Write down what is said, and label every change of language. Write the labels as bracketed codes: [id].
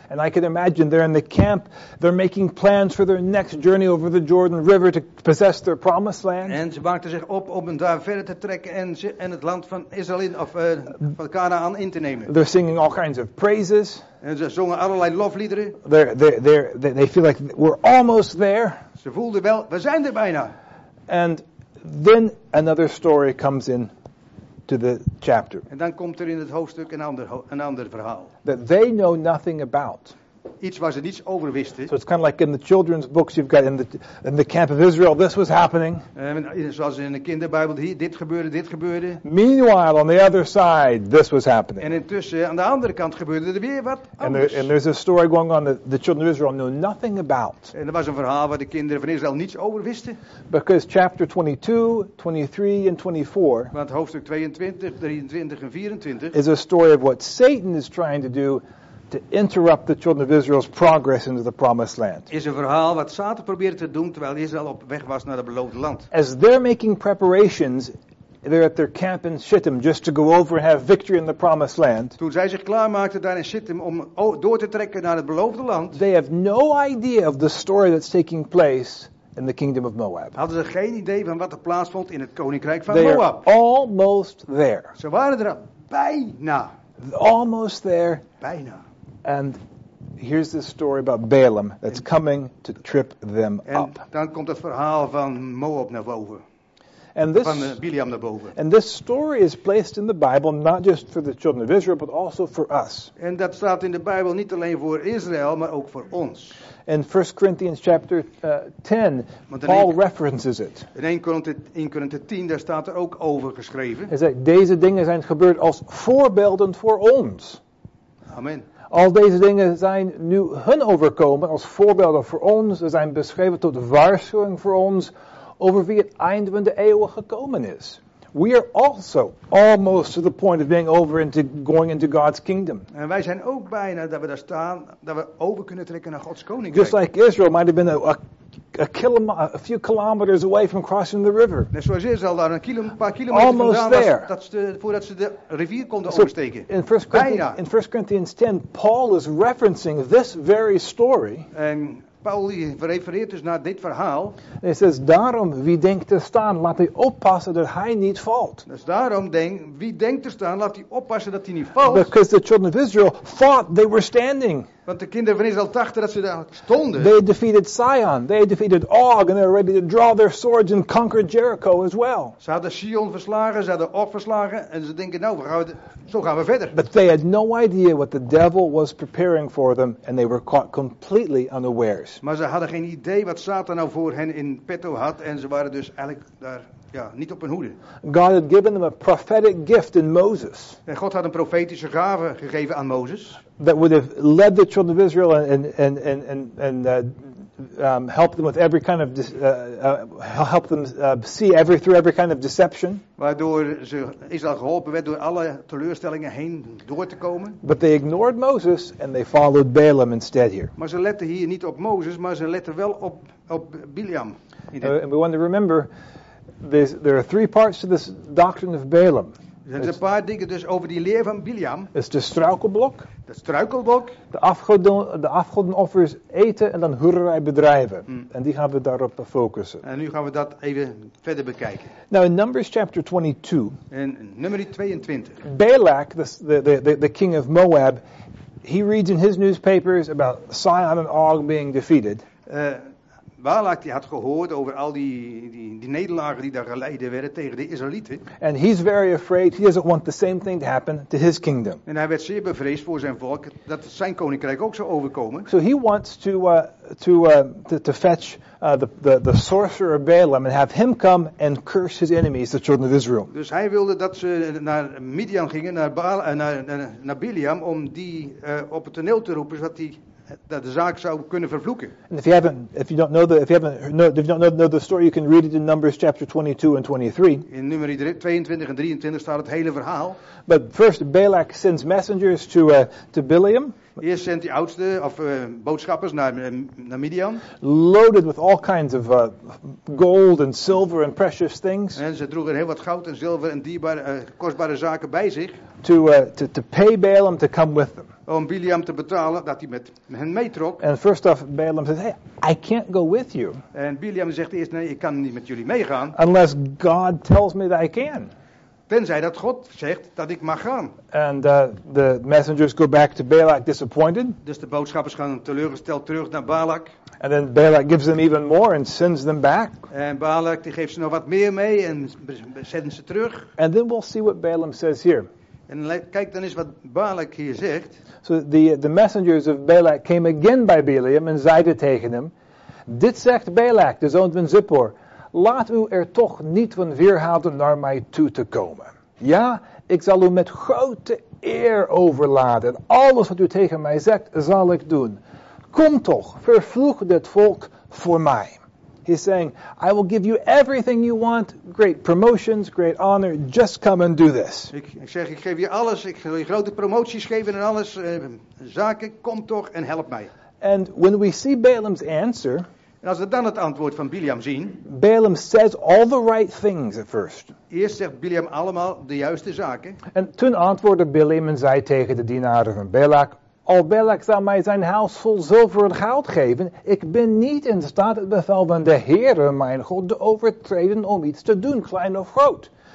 [en] And I can imagine they're in the camp, they're making plans for their next journey over the Jordan River to possess their promised land. [nl] En ze maakten zich op om daar verder te trekken en het land van Israël van Canaan in te nemen. [en] They're singing all kinds of praises. [nl] En ze zongen allerlei lofliederen. [en] They feel like we're almost there. [nl] Ze voelden wel, we zijn er bijna. [en] And then another story comes in to the chapter. [nl] En dan komt er in het hoofdstuk een ander verhaal. [en] That they know nothing about. [nl] Iets waar ze niets over wisten. [en] So it's kind of like in the children's books you've got in the camp of Israel, this was happening. [nl] Zoals in de kinderbijbel, dit gebeurde. [en] Meanwhile, on the other side, this was happening. [nl] En intussen, aan de andere kant gebeurde er weer wat anders. [en] And there's a story going on that the children of Israel know nothing about. [nl] En er was een verhaal waar de kinderen van Israël niets over wisten. [en] Because chapter 22, 23 and 24. [nl] Want hoofdstuk 22, 23 en 24. [en] Is a story of what Satan is trying to do. To interrupt the children of Israel's progress into the promised land. [nl] Is een verhaal wat Satan probeerde te doen terwijl Israël op weg was naar het beloofde land. [en] As they're making preparations, they're at their camp in Shittim just to go over and have victory in the promised land. [nl] Toen zij zich klaarmaakten daar in Shittim om door te trekken naar het beloofde land. [en] They have no idea of the story that's taking place in the kingdom of Moab. [nl] Hadden ze geen idee van wat er plaatsvond in het koninkrijk van [en] they [nl] Moab. [en] They're almost there. [nl] Ze waren er bijna. [en] Almost there. [nl] Bijna. [en] And here's this story about Balaam that's coming to trip them up. [nl] En dan komt het verhaal van Moab naar boven. [en] And this, [nl] van Biliam naar boven. [en] And this story is placed in the Bible not just for the children of Israel, but also for us. [nl] En dat staat in de Bijbel niet alleen voor Israël, maar ook voor ons. [en] In 1 Corinthians chapter 10, Paul references it. [nl] In 1 Corinthians 10, daar staat er ook over geschreven. Hij zegt, deze dingen zijn gebeurd als voorbeelden voor ons. Amen. Al deze dingen zijn nu hun overkomen als voorbeelden voor ons. Ze zijn beschreven tot waarschuwing voor ons over wie het eind van de eeuwen gekomen is. [en] We are also almost to the point of being over into going into God's kingdom. [nl] En wij zijn ook bijna dat we daar staan, dat we over kunnen trekken naar Gods koninkrijk. [en] Just like Israel might have been a few kilometers away from crossing the river. [nl] Net zoals Israël daar een paar kilometer vandaan, voordat ze de rivier konden oversteken. [en] In 1 Corinthians 10, Paul is referencing this very story. [nl] En Paul refereert dus naar dit verhaal. Hij zegt, daarom wie denkt te staan, laat hij oppassen dat hij niet valt. Dus daarom wie denkt te staan, laat hij oppassen dat hij niet valt. [en] Because the children of Israel thought they were standing. [nl] Want de kinderen van Israël dachten dat ze daar stonden. [en] They defeated Sion. They defeated Og. And they were ready to draw their swords and conquer Jericho as well. [nl] Ze hadden Sion verslagen. Ze hadden Og verslagen. En ze denken, nou, zo gaan we verder. [en] But they had no idea what the devil was preparing for them. And they were caught completely unawares. [nl] Maar ze hadden geen idee wat Satan nou voor hen in petto had. En ze waren dus eigenlijk daar, ja, niet op hun hoede. [en] God had given them a prophetic gift in Moses. [nl] En God had een profetische gave gegeven aan Mozes. [en] That would have led the children of Israel and helped them with every kind of see every through every kind of deception. [nl] Waardoor ze Israël geholpen werd door alle teleurstellingen heen door te komen. [en] But they ignored Moses and they followed Balaam instead here. [nl] Maar ze letten hier niet op Mozes, maar ze letten wel op Biliam. [en] And we want to remember there are three parts to this doctrine of Balaam. [nl] Er zijn een paar dingen dus over die leer van Biliam. Is de struikelblok. De struikelblok. De afgodenoffers eten en dan hoererij bedrijven. Mm. En die gaan we daarop focussen. En nu gaan we dat even verder bekijken. [en] Now in Numbers chapter 22. [nl] In nummer 22. [en] Balak, the king of Moab, he reads in his newspapers about Sion and Og being defeated. [nl] Balak die had gehoord over al die nederlagen die daar geleden werden tegen de Israëlieten. [en] And he's very afraid. He doesn't want the same thing to happen to his kingdom. [nl] En hij werd zeer bevreesd voor zijn volk dat zijn koninkrijk ook zou overkomen. [en] So he wants to fetch the sorcerer Balaam and have him come and curse his enemies, the children of Israel. [nl] Dus hij wilde dat ze naar Midian gingen, naar Biliam, om die op het toneel te roepen, zodat die dat de zaak zou kunnen vervloeken. [en] And if you don't know the story, you can read it in Numbers chapter 22 and 23. [nl] In nummer 22 en 23 staat het hele verhaal. [en] But first Balak sends messengers to Biliam. [nl] Eerst zendt die oudste of boodschappers naar Midian. [en] Loaded with all kinds of gold and silver and precious things. [nl] En ze droegen heel wat goud en zilver en dierbare kostbare zaken bij zich. [en] To pay Balaam to come with them. [nl] Om Biliam te betalen dat hij met hen meetrok. [en] And first off, Balaam says, "Hey, I can't go with you." [nl] En Biliam zegt eerst, nee, ik kan niet met jullie meegaan. [en] Unless God tells me that I can. [nl] Tenzij dat God zegt dat ik mag gaan. [en] And the messengers go back to Balak disappointed. [nl] Dus de boodschappers gaan teleurgesteld terug naar Balak. [en] And then Balak gives them even more and sends them back. [nl] En Balak die geeft ze nog wat meer mee en zendt ze terug. [en] And then we'll see what Balaam says here. [nl] En kijk dan eens wat Balak hier zegt. [en] So the messengers of Balak came again by Balaam and [nl] zeiden tegen hem. Dit zegt Balak, de zoon van Zippor. Laat u er toch niet van weerhouden naar mij toe te komen. Ja, ik zal u met grote eer overladen. Alles wat u tegen mij zegt, zal ik doen. Kom toch, vervloeg dit volk voor mij. [en] He's saying, I will give you everything you want. Great promotions, great honor. Just come and do this. [nl] Ik zeg, ik geef je alles. Ik wil je grote promoties geven en alles. Zaken, kom toch en help mij. [en] And when we see Balaam's answer. [nl] En als we dan het antwoord van Biliam zien. [en] Balaam says all the right things at first. [nl] Eerst zegt Biliam allemaal de juiste zaken. En toen antwoordde Biliam en zei tegen de dienaren van Balak. Al Balak zou mij zijn huis vol zilver en goud geven, ik ben niet in staat het bevel van de Heere, mijn God, te overtreden om iets te doen, klein of groot.